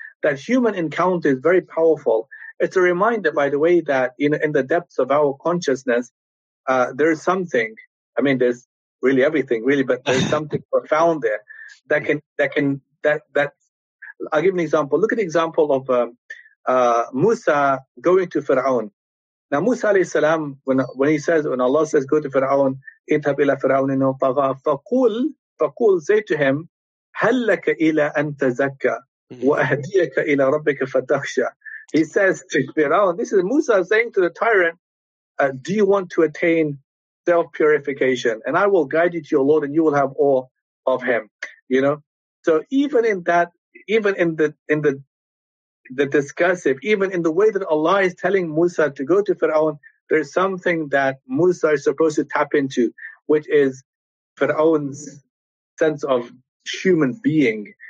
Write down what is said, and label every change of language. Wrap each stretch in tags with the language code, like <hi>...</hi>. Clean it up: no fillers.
<en>That human encounter is very powerful. It's a reminder, by the way, that in the depths of our consciousness, there is something, I mean, there's really everything, really, but there's something profound there that can, I'll give an example. Look at the example of Musa going to Fir'aun. Now, Musa alayhi salam, when he says, when Allah says, go to Fir'aun,</en> <ar>اذهب إلى فرعون إنه طغى فقول</ar> <en>say to him,</en> <ar>هل لك إلى أن تزكى وأهديك إلى ربك فتخشى.</ar> <en>He says to Fir'aun, this is Musa saying to the tyrant, do you want to attain self-purification? And I will guide you to your Lord and you will have awe of him. You know? So even in that, even in the discursive, even in the way that Allah is telling Musa to go to Fir'aun, there's something that Musa is supposed to tap into, which is Fir'aun's sense of human being.</en>